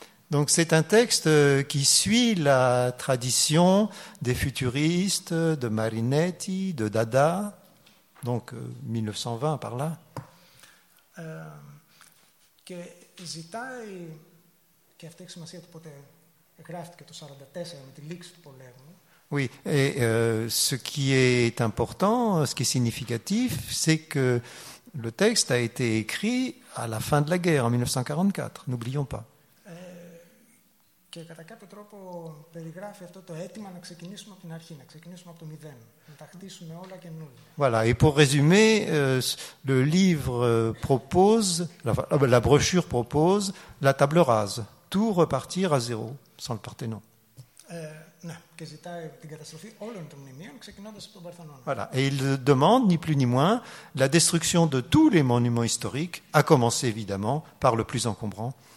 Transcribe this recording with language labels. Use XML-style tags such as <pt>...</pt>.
<fr>Donc c'est un texte qui suit la tradition des futuristes, de Marinetti, de Dada, donc 1920 par là.</fr> <el>Και ζητάει, και αυτή έχει σημασία του πότε γράφτηκε το 44 με τη λήξη του πολέμου.</el> <fr>Oui, et ce qui est important, ce qui est significatif, c'est que le texte a été écrit à la fin de la guerre, en 1944, n'oublions pas.</fr> <el>Και κατά κάποιο τρόπο περιγράφει αυτό το αίτημα να ξεκινήσουμε από την αρχή, να ξεκινήσουμε από το μηδέν, να τα χτίσουμε όλα καινούργια.</el> <fr>Voilà, et pour résumer, le livre propose, la brochure propose la table rase, tout repartir à zéro, sans le Parthénon.</fr> <el>Ναι, και ζητάει την καταστροφή όλων των μνημείων, ξεκινώντας από τον Παρθενώνα.</el> <fr>Voilà, et il demande, ni plus ni moins, la destruction de tous les monuments historiques, à commencer évidemment par le plus encombrant.</fr>